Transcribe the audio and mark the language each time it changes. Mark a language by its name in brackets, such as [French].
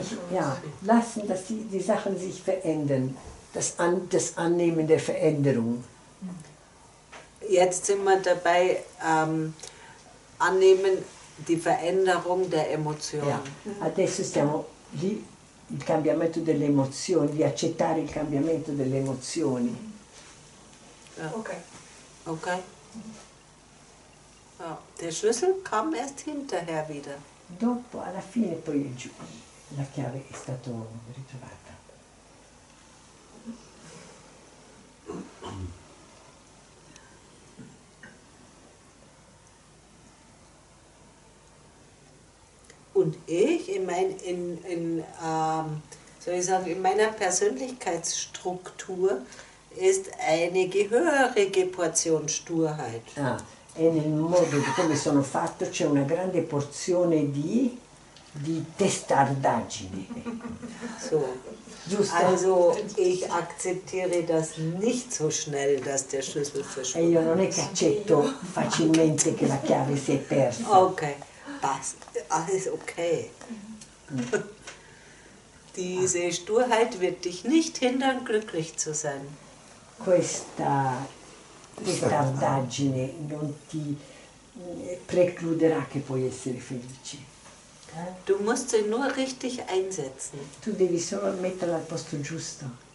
[German] Ja, lassen, dass die Sachen sich verändern. Das Annehmen der Veränderung. Jetzt sind wir dabei, annehmen die Veränderung der Emotionen. Ja. [Italian] Adesso stiamo lì, il cambiamento delle emozioni, di accettare il cambiamento delle emozioni. Okay. Okay. [German] Oh, der Schlüssel kam erst hinterher wieder. [Italian] Dopo, alla fine, poi la chiave è stata ritrovata. [German] Und ich, in meiner Persönlichkeitsstruktur ist eine gehörige Portion Sturheit. [Italian] Ah, e nel modo di come sono fatto c'è una grande porzione di testardaggine. So. Giusto. [German] Also ich akzeptiere das nicht so schnell, dass der Schlüssel verschwunden ist. [Italian] E io non è che accetto facilmente che la chiave si è persa. [German] Okay. Passt. Alles okay. Diese Sturheit wird dich nicht hindern, glücklich zu sein. [Italian] Questa testardaggine non ti precluderà che puoi essere felice. [German] Du musst sie nur richtig einsetzen. [Italian] Tu devi solo metterla al posto giusto.